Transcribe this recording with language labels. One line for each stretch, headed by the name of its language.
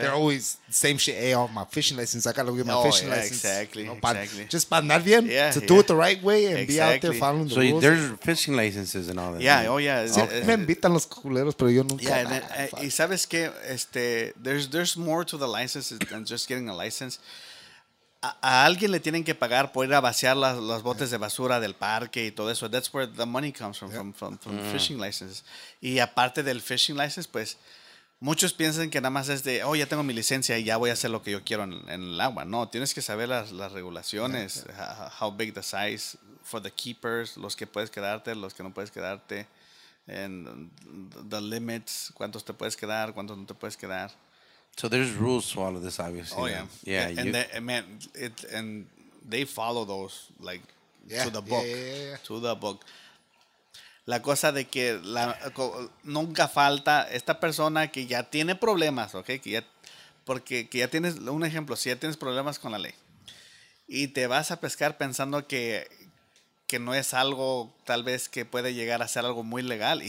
English: They're always same shit. Hey, oh, my fishing license. I got to get my fishing license. Exactly. You know, exactly. Just
Spanish: para andar bien,
English: do it the right way and be out there following the rules. So there's fishing licenses and all that. Yeah, oh, yeah.
Spanish: Sí, okay. Me invitan los culeros, pero yo nunca.
English: Yeah,
Spanish: y sabes que
English: there's more to the licenses than just getting a license.
Spanish: A alguien le tienen que pagar por ir a vaciar los botes de basura del parque y todo eso.
English: That's where the money comes from, from fishing licenses.
Spanish: Y aparte del fishing license, pues, muchos piensan que nada más es de, oh, ya tengo mi licencia y ya voy a hacer lo que yo quiero en el agua. No, tienes que saber las regulaciones,
English: how big the size for the keepers,
Spanish: los que puedes quedarte, los que no puedes quedarte,
English: and the limits,
Spanish: cuántos te puedes quedar, cuántos no te puedes quedar.
English: So there's rules to all of this, obviously. Oh, yeah. Yeah. And they follow those, like, to the book. Yeah. To the book.
Spanish: La cosa de que nunca falta esta persona que ya tiene problemas, ¿ok? Que ya tienes, un ejemplo, si ya tienes problemas con la ley y te vas a pescar pensando que no es algo, tal vez, que puede llegar a ser algo muy legal.